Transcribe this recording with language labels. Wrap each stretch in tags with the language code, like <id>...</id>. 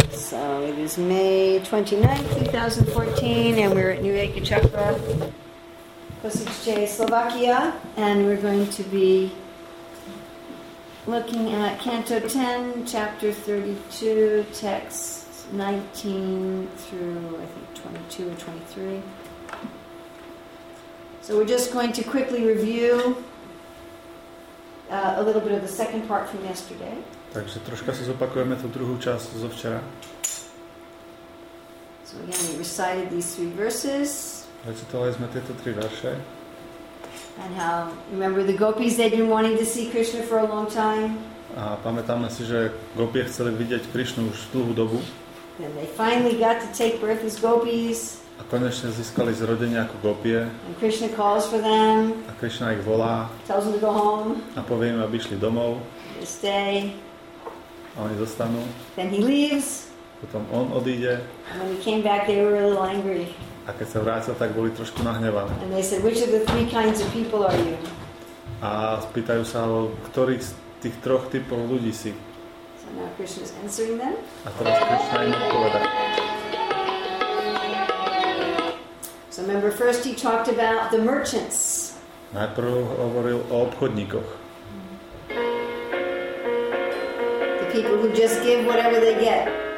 <en>So it is May 29, 2014, and we're at New Ekachakra, Kosice, Slovakia, and we're going to be looking at Canto 10, Chapter 32, Texts 19 through, I think, 22 or 23. So we're just going to quickly review a little bit of the second part from yesterday.</en> <sk>Takže troška si zopakujeme tu druhou část zo včera.</sk> <en>So again, we recited these three verses.</en> <cs>Recitovali jsme tyto tři verše.</cs> <en>And how, remember the gopis, they've been wanting to see Krishna for a long time.</en> <sk>A pamätáme si, že gopie chceli vidieť Krishnu už dlhú dobu.</sk> <en>And they finally got to take birth as gopis.</en> <sk>A konečne získali zrodenie ako gopie.</sk> <en>And Krishna calls for them.</en> <sk>A Krishna ich volá.</sk> <en>Tells them to go home.</en> <sk>A povie im, aby išli domov.</sk> <en>They stay.</en> <sk>A oni zostanú.</sk> <en>Then he leaves.</en> <sk>Potom on odíde.</sk> <en>And when he came back, they were a little angry.</en> <sk>A keď sa vrátil, tak boli trošku nahnevaní.</sk> <en>And they said, which of the three kinds of people are you?</en> <sk>A spýtajú sa, ktorý z tých troch typov ľudí si?</sk> <en>So now Krishna is answering them.</en> <sk>A teraz Krishna im odpovedá.</sk> <en>So remember, first he talked about the merchants.</en> <sk>Najprv hovoril o obchodníkoch.</sk> <en>The people who just give whatever they get.</en>